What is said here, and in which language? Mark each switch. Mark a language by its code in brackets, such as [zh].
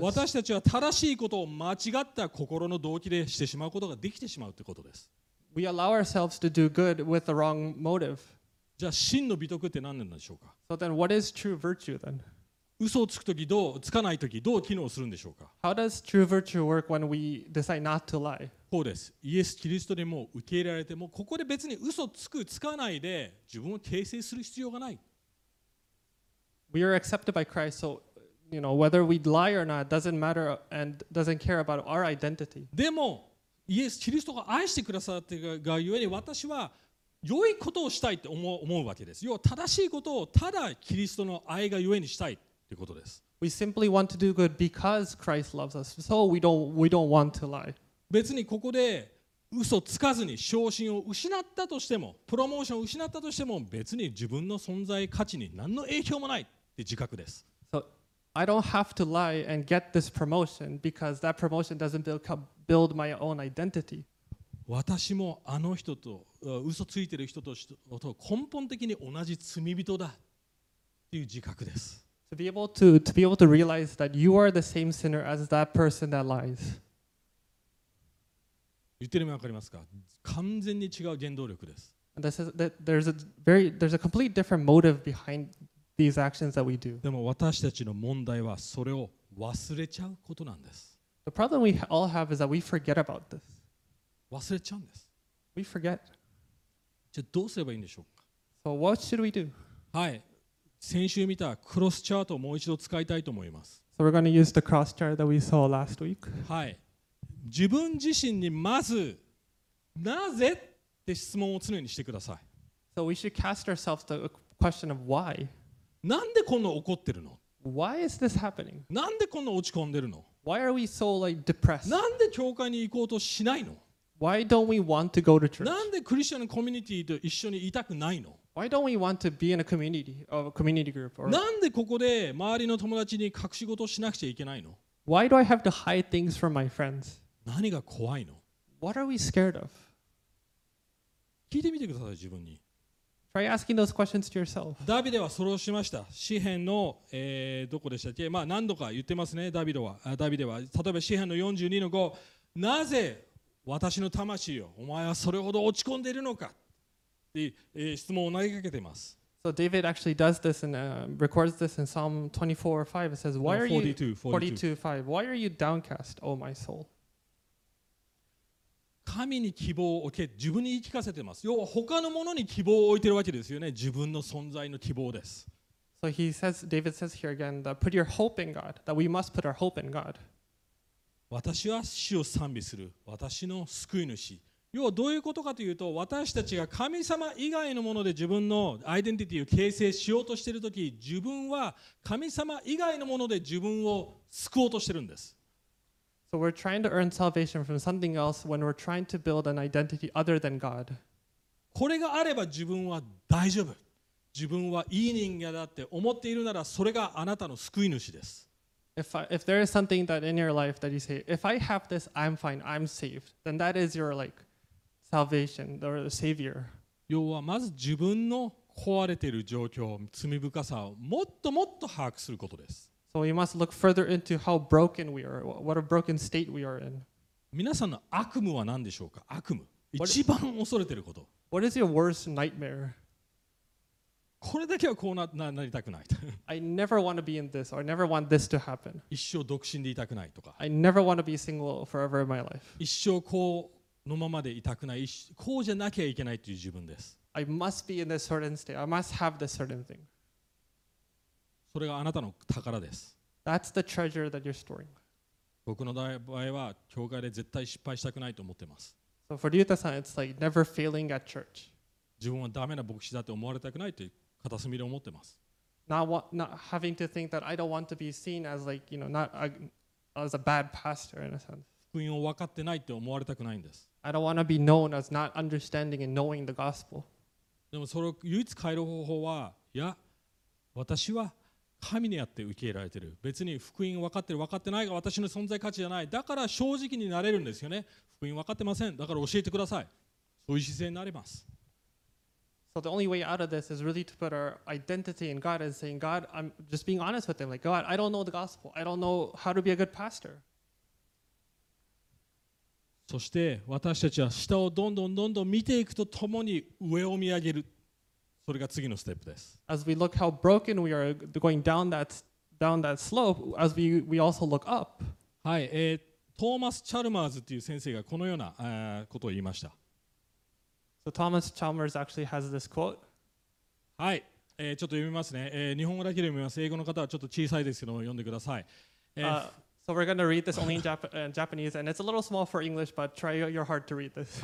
[ja] 私たちは正しいことを間違った心の動機でしてしまうことができてしまうということです。 [en] We allow ourselves to do good with the wrong motive. [ja] じゃあ真の美徳って何なんでしょうか。 [en] So then what is true virtue then? [ja] 嘘をつくとき、つかないとき、どう機能するんでしょうか。 [en] How does true virtue work when we decide not to lie? [ja] こうです。イエス・キリストにも受け入れられても、ここで別に嘘をつく、つかないで自分を訂正する必要がない。 [en] We are accepted by Christ, so you know, whether we lie or not doesn't matter and doesn't care about our identity. [ja] でも、イエス・キリストが愛してくださっているがゆえに、私は良いことをしたいって思うわけです。要は正しいことをただキリストの愛がゆえにしたい。ということです。 [en] We simply want to do good because Christ loves us, so we don't want to lie. [ja] 別にここで嘘つかずに昇進を失ったとしても、プロモーションを失ったとしても、別に自分の存在価値に何の影響もないって自覚です。 [en] So I don't have to lie and get this promotion because that promotion doesn't build my own identity. [ja] 私もあの人と嘘ついてる人と根本的に同じ罪人だっていう自覚です。 [en] To be able to realize that you are the same sinner as that person that lies. [ja] 言ってる意味わかりますか？完全に違う原動力です。 [en] And this is that there's a complete different motive behind these actions that we do. [ja] でも私たちの問題はそれを忘れちゃうことなんです。 [en] The problem we all have is that we forget about this. [ja] 忘れちゃうんです。 [en] We forget. [ja] じゃあどうすればいいんでしょうか？ [en] So what should we do? [ja] はい。先週見たクロスチャートをもう一度使いたいと思います。 [en] So we're going to use the cross chart that we saw last week. [ja] はい。自分自身にまず、なぜって質問を常にしてください。 [en] So we should cast ourselves the question of why. [ja] なんでこんな怒ってるの？ [en] Why is this happening? [ja] なんでこんな落ち込んでるの？ [en] Why are we so like depressed? [ja] なんで教会に行こうとしないの？ [en] Why don't we want to go to church? [ja] なんでクリスチャンコミュニティと一緒にいたくないの？ [en] Why don't we want to be in a community of a community group? Or... [ja] なんでここで周りの友達に隠し事をしなくちゃいけないの？ [en] Why do I have to hide things from my friends? [ja] 何が怖いの？ [en] What are we scared of? [ja] 聞いてみてください、自分に。 [en] Try asking those questions to yourself. [ja] ダビデはそれをしました。詩編の、どこでしたっけ？まあ何度か言ってますね、ダビデは。ダビデは例えば詩編の42の5、なぜ私の魂よ、お前はそれほど落ち込んでいるのか？で質問を投げかけています。 [en] So David actually does this and records this in Psalm 24:5. It says, "Why are you 42:5? Why are you downcast, O my soul?" [ja] 神に希望を置け、自分に言い聞かせてます。要は他のものに希望を置いてるわけですよね。自分の存在の希望です。 [en] So he says, David says here again that put your hope in God. That we must put our hope in God. [ja] 私は主を賛美する。私の救い主。要はどういうことかというと、私たちが神様以外のもので自分のアイデンティティを形成しようとしているとき、自分は神様以外のもので自分を救おうとしているんです。 [en] So we're trying to earn salvation from something else when we're trying to build an identity other than God. [ja] これがあれば自分は大丈夫。自分はいい人間だって思っているなら、それがあなたの救い主です。 [en] If there is something that in your life that you say, if I have this, I'm fine, I'm saved, then that is your like. Salvation or the savior. [ja] 要はまず自分の壊れている状況、罪深さをもっともっと把握することです。 [en] So we must look further into how broken we are, what a broken state we are in. [ja] 皆さんの悪夢は何でしょうか？悪夢。一番恐れていること。 [en] What is your worst nightmare? [ja] これだけはこうなりたくない。 [en] I never want to be in this, or I never want this to happen. [ja] 一生独身でいたくないとか。 [en] I never want to be single forever in my life. [ja] 一生こうのままでいたくない、こうじゃなきゃいけないという自分です。 [en] I must be in this certain state. I must have this certain thing. [ja] それがあなたの宝です。 [en] That's the treasure that you're storing. [ja] 僕の場合は教会で絶対失敗したくないと思ってます。 [en] So for Ryuta san, it's like never failing at church. [ja] 自分はダメな牧師だと思われたくないという片隅で思ってます。 [en] Not having to think that I don't want to be seen as like, you know, not a, as a bad pastor in a sense. [ja] 福音を分かってないって思われたくないんです。 [en] I don't want to be known as not understanding and knowing the gospel. [ja] でもそれを唯一変える方法は、いや、私は神にあって受け入れられてる。別に福音分かってる分かってないが私の存在価値じゃない。だから正直になれるんですよね。福音分かってません。だから教えてください。そういう姿勢になります。 [en] So the only way out of this is really to put our identity in God and saying, God, I'm just being honest with him. Like, God, I don't know the gospel. I don't know how to be a good pastor. [ja] そして私たちは下をどんどんどんどん見ていくとともに上を見上げる。それが次のステップです。 [en] As we look how broken we are going down that slope, as we also look up. [ja] はい、トーマス・チャルマーズという先生がこのような、ことを言いました。 [en] So Thomas Chalmers actually has this quote. [ja] はい、ちょっと読みますね、日本語だけで読みます。英語の方はちょっと小さいですけども読んでください。 [en] So we're going to read this only in Japanese, and it's a little small for English, but try your hard to read this.